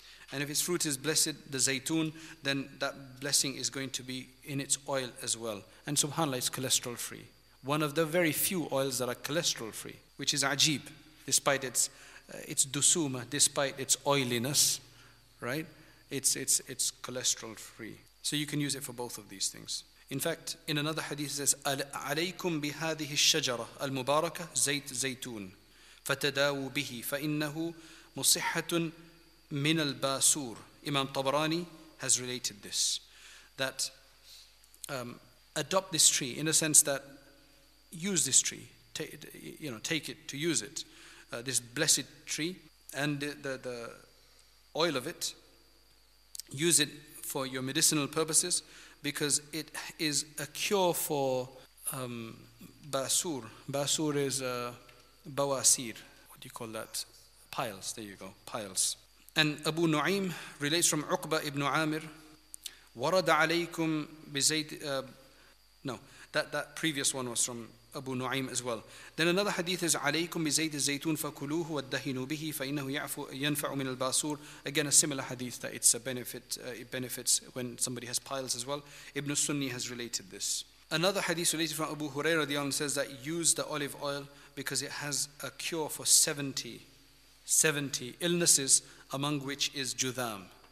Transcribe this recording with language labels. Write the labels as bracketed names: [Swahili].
[English] And if its fruit is blessed, the zaytun, then that blessing is going to be in its oil as well. And subhanAllah, it's cholesterol free. One of the very few oils that are cholesterol free, which is ajeeb, despite its it's dusuma despite its oiliness, right? It's cholesterol free. So you can use it for both of these things. In fact, in another hadith it says, [Arabic] عليكم بهذه الشجرة المباركة زيت زيتون فتداووا به فإنه مصحة من الباسور. [English] Imam Tabarani has related this, that adopt this tree in a sense that use this tree, take it to use it, this blessed tree and the oil of it, use it for your medicinal purposes because it is a cure for basur. Basur is bawasir. What do you call that? Piles, there you go, piles. And Abu Nu'aym relates from Uqba ibn Amir, [Arabic] ورد عليكم بزيت [English] that previous one was from Abu Nu'aym as well. Then another hadith is [Arabic] عليكم بزيت الزيتون فكلوه والدهنوا به فإنه ينفع من الباسور. [English] Again, a similar hadith that it's a benefit, it benefits when somebody has piles as well. Ibn Sunni has related this. Another hadith related from Abu Huraira رضي الله عنه says that use the olive oil because it has a cure for 70 illnesses, among which is judham.